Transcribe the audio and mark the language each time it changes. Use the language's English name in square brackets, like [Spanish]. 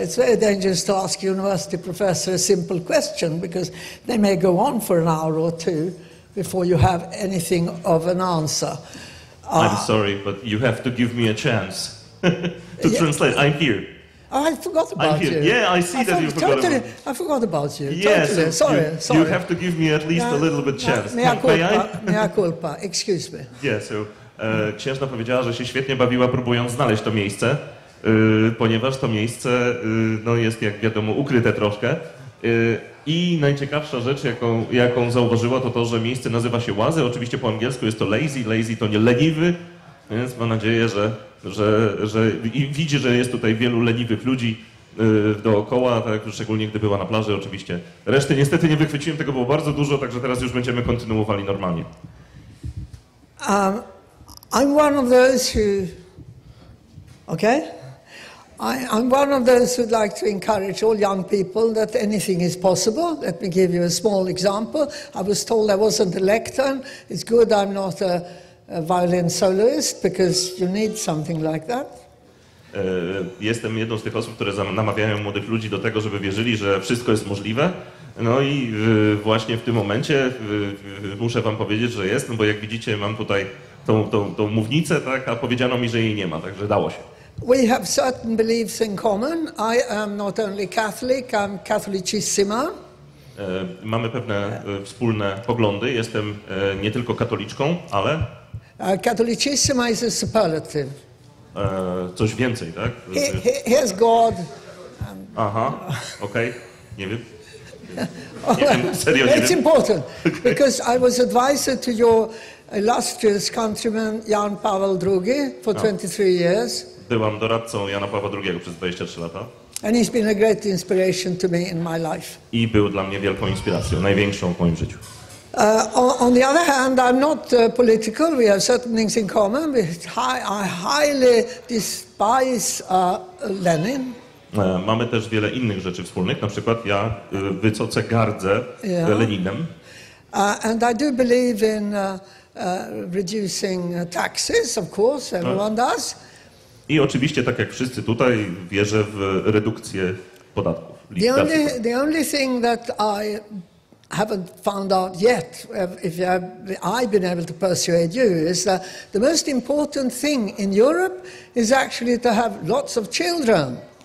[English] It's very dangerous to ask a university professor a simple question because they may go on for an hour or two before you have anything of an answer. I'm sorry, but you have to give me a chance to translate. I'm here. I forgot about you. Yeah, I see that you forgot about me. I forgot about you. Yes, totally. Sorry, You have to give me at least a little bit chance. Mea culpa, mea culpa. Excuse me. Yeah, so [Polish] księżna powiedziała, że się świetnie bawiła, próbując znaleźć to miejsce, ponieważ to miejsce jest, jak wiadomo, ukryte troszkę. I najciekawsza rzecz, jaką zauważyła, to to, że miejsce nazywa się Łazy. Oczywiście po angielsku jest to lazy. Lazy to nie leniwy, więc mam nadzieję, że i widzi, że jest tutaj wielu leniwych ludzi dookoła, tak, szczególnie gdy była na plaży oczywiście. Reszty niestety nie wychwyciłem, tego było bardzo dużo, także teraz już będziemy kontynuowali normalnie. [English] I'm one of those who... Okay? I'm one of those who'd like to encourage all young people that anything is possible. Let me give you a small example. I was told I wasn't a lectern. It's good I'm not a violin soloist, because you need something like that. [Polish] Jestem jedną z tych osób, które namawiają młodych ludzi do tego, żeby wierzyli, że wszystko jest możliwe. No i właśnie w tym momencie muszę wam powiedzieć, że jest, no bo jak widzicie, mam tutaj tą mównicę, tak, a powiedziano mi, że jej nie ma, także dało się. [English] We have certain beliefs in common. I am not only Catholic, I'm Catholicissima. [Polish] Mamy pewne wspólne poglądy. Jestem nie tylko katoliczką, ale... [English] Catholicissima is a superlative. [Polish] Coś więcej, tak? [English] Here's God. [Polish] Aha, okej, okay. Nie wiem. Serio, nie [English] it's [Polish] wiem. [English] Important, okay. Because I was advisor to your illustrious countryman Jan Paweł II for 23 years. [Polish] Byłam doradcą Jana Pawła II przez 23 lata. [English] And he's been a great inspiration to me in my life. [Polish] I był dla mnie wielką inspiracją, największą w moim życiu. [English] On the other hand, I'm not political. We have certain things in common. I highly despise Lenin. [Polish] Mamy też wiele innych rzeczy wspólnych. Na przykład ja wycoce gardzę Leninem. [English] And I do believe in reducing taxes, of course, everyone does. [Polish] I oczywiście, tak jak wszyscy tutaj, wierzę w redukcję podatków. [English] The only thing that I haven't found out yet, if I've been able to persuade you, is that the most important thing in Europe is actually to have lots of children.